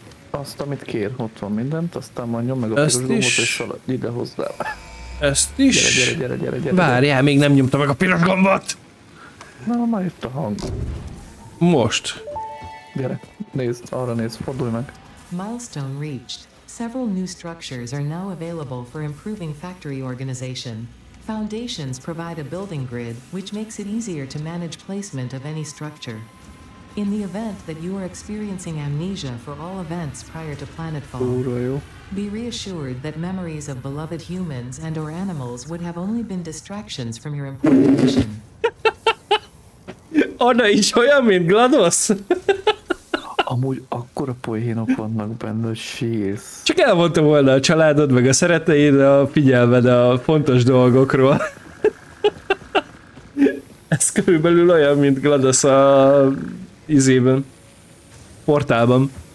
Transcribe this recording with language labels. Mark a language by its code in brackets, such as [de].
[hu] Azt, amit kér, ott van mindent, aztán mondjam meg a piros gombot, és ide hozzá. Ezt is? Gyere. Várjál, még nem nyomta meg a piros gombot! Na, már itt a hang. Most. Gyere, nézd, arra nézd, fordulj meg. [en] Milestone reached. Several new structures are now available for improving factory organization. Foundations provide a building grid, which makes it easier to manage placement of any structure. In the event that you are experiencing amnesia for all events prior to planetfall, be reassured that memories of beloved humans and or animals would have only been distractions from your important mission. [hu] Anna is olyan, mint GLaDOS! Amúgy akkora poénok vannak benne, hogy sírsz. Csak elmondtam volna a családod, meg a szereteid, a figyelmed a fontos dolgokról. Ez körülbelül olyan, mint GLaDOS a izében. Portálban.